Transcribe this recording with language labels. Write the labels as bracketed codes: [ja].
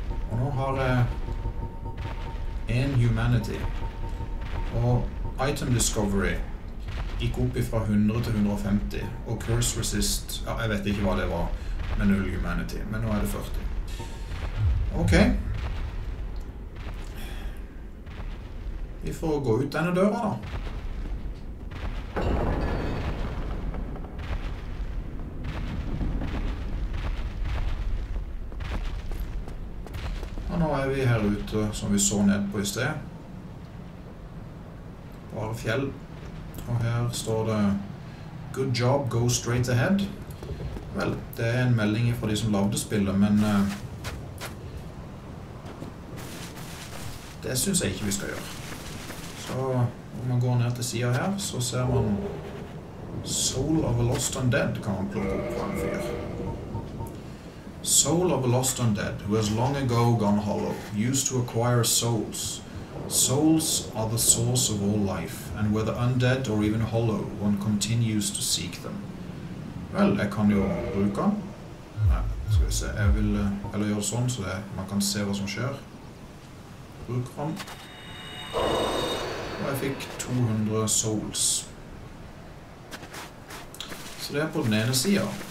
[no] Og nå har jeg 1 humanity. Og item discovery gikk opp fra 100 til 150, og curse resist, ja, jeg vet ikke hva det var med 0 humanity, men nå er det 40. Ok. Vi får gå ut denne døra da. Og nå er vi her ute som vi så ned på i sted. Bare fjell. Og her står det [en] good job, go straight ahead. [no] Vel, det er en melding fra de som lavde spillet, men det synes jeg ikke vi skal gjøre. Så om man går ned til siden her, så ser man Soul of a Lost Undead kan man plukke opp fra en fyr. [en] Soul of a Lost Undead who has long ago gone hollow used to acquire souls. Souls are the source of all life, and whether undead or even hollow, one continues to seek them. [no] Vel, jeg kan jo bruke den. Nei, skal vi se, jeg vil, eller gjøre sånn så man kan se hva som skjer. Bruker den. Og jeg fikk 200 souls. Så det er på den ene siden,